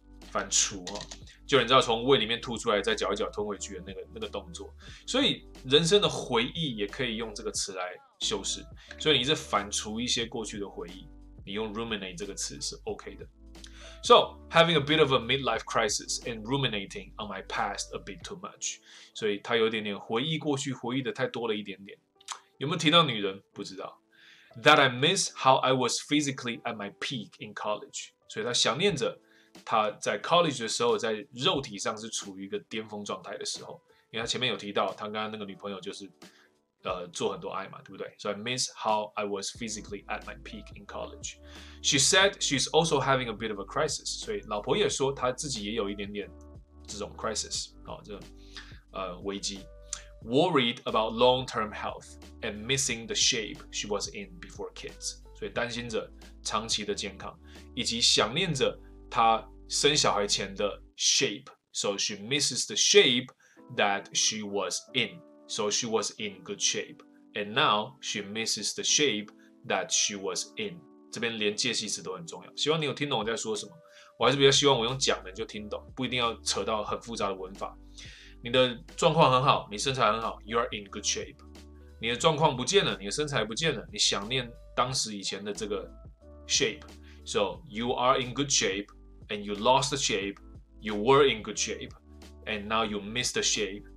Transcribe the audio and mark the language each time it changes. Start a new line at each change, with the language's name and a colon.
Chinese: 反刍哈，就你知道从胃里面吐出来再嚼一嚼吞回去的那个动作，所以人生的回忆也可以用这个词来修饰，所以你是反刍一些过去的回忆，你用 ruminate 这个词是 OK 的。
English: So, having a bit of a midlife crisis and ruminating on my past a bit too much.
Chinese: 所以他有点点回忆过去，回忆的太多了一点点。有没有提到女人？不知道。
English: That I miss how I was physically at my peak in college.
Chinese: 所以他想念着他在 college 的时候，在肉体上是处于一个巅峰状态的时候。因为他前面有提到，他跟那个女朋友就是做很多爱嘛，对不对 ？
English: So I miss how I was physically at my peak in college. She said she's also having a bit of a crisis.
Chinese: 所以老婆也说她自己也有一点点这种 crisis 啊、哦，这危机。
English: Worried about long-term health and missing the shape she was in before kids.
Chinese: 所以担心着长期的健康，以及想念着她生小孩前的 shape.
English: So she misses the shape that she was in. So she was in good shape, and now she misses the shape that she was in.
Chinese: 这边连介系词都很重要。希望你有听懂我在说什么。我还是比较希望我用讲的就听懂，不一定要扯到很复杂的文法。你的状况很好，你身材很好 ，
English: you are in good shape.
Chinese: 你的状况不见了，你的身材不见了，你想念当时以前的这个 shape.
English: So you are in good shape, and you lost the shape. You were in good shape, and now you miss the shape.